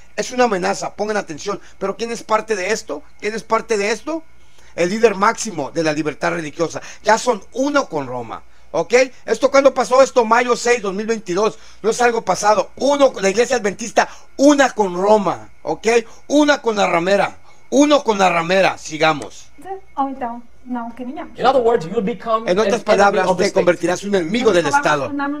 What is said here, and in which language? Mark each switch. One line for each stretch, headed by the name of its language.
Spanish: Es una amenaza, pongan atención. ¿Pero quién es parte de esto? ¿Quién es parte de esto? El líder máximo de la libertad religiosa. Ya son uno con Roma, ¿ok? ¿Esto cuándo pasó? Esto mayo 6, 2022. No es algo pasado. Uno con la iglesia adventista, una con Roma, ¿ok? Una con la ramera. Uno con la ramera, sigamos.
English: In other words, you'll become
Spanish: en otras palabras, te convertirás en un enemigo del Estado.